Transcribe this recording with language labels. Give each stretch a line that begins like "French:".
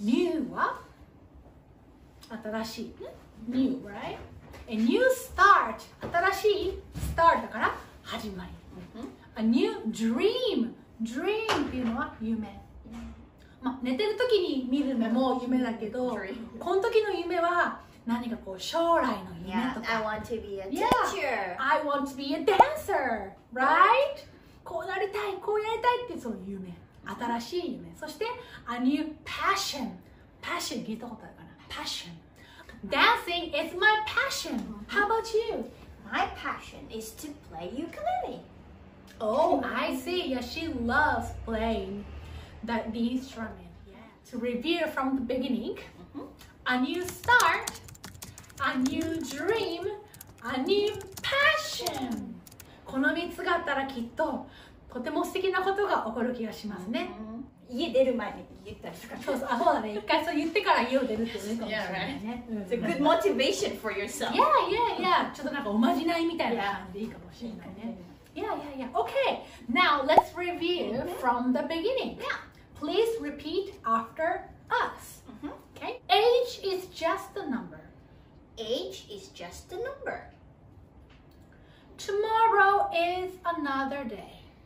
Japanese: new は新しい、
English: new right、a new start、
Japanese: 新しい start だから始まり、
English: a new dream、
Japanese: dream っていうのは夢、まあ、寝てる時に見る夢も夢だけど、この時の夢は何かこう将来の夢とか、
English: yeah, I want to be a teacher、 yeah, I want to be a dancer right、
Japanese: こうなりたい、こうやりたいってその夢、新しい夢、そして
English: a new passion、 passion
Japanese: 聞いたことあるかな、
English: passion、 dancing is my passion、 how about you? My passion is to play ukulele。 Oh I see, yeah she loves playing that the instrument、yeah. To review from the beginning、mm-hmm. A new start、 A new dream、 A new passion、
Japanese: この3つがあったらきっととても素敵なことが起こる気がしますね、 mm-hmm. 家出る前に言ったりするから、ね、そうだね、一回そう言ってから家を出るってことかもしれないね、
English: yeah, right. It's a good motivation for yourself. Yeah, yeah, yeah.
Japanese: ちょっとなんかおまじないみたいな感じでいいかもしれないね。
English: Yeah, yeah, yeah. Okay, now let's review、okay. from the beginning. Yeah. Please repeat after us.、Mm-hmm. Okay. Age is just a number. Age is just a number. Tomorrow is another day.